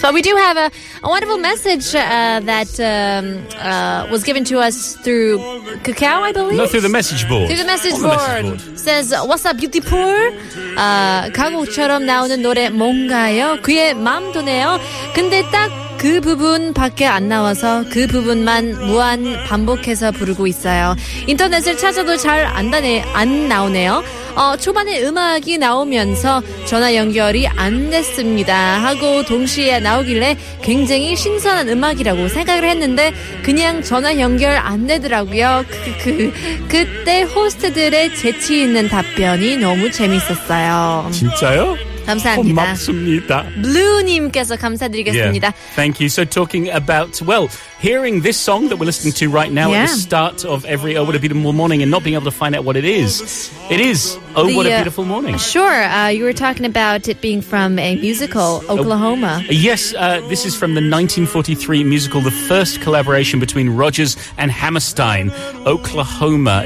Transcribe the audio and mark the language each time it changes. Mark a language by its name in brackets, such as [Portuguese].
[English] But we do have a wonderful message that was given to us through Kakao, I believe? No, through the message board. Through the message board. Says, what's up, beautiful? [Korean] 가곡처럼 나오는 노래 뭔가요? 그의 마음 도네요. 근데 딱 그 부분밖에 안 나와서 그 부분만 무한 반복해서 부르고 있어요. 인터넷을 찾아도 잘 안 나오네요. 초반에 음악이 나오면서 전화 연결이 안 됐습니다 하고 동시에 나오길래 굉장히 신선한 음악이라고 생각을 했는데 그냥 전화 연결 안 되더라고요. 그때 호스트들의 재치 있는 답변이 너무 재밌었어요. 진짜요? 감사합니다. 블루님께서 감사드리겠습니다. [English] Yeah. Thank you. So talking about, well, hearing this song that we're listening to right now at the start of every Oh What a Beautiful Morning and not being able to find out what it is. It is Oh What a Beautiful Morning. Sure. You were talking about it being from a musical, Oklahoma. This is from the 1943 musical, the first collaboration between Rodgers and Hammerstein, Oklahoma.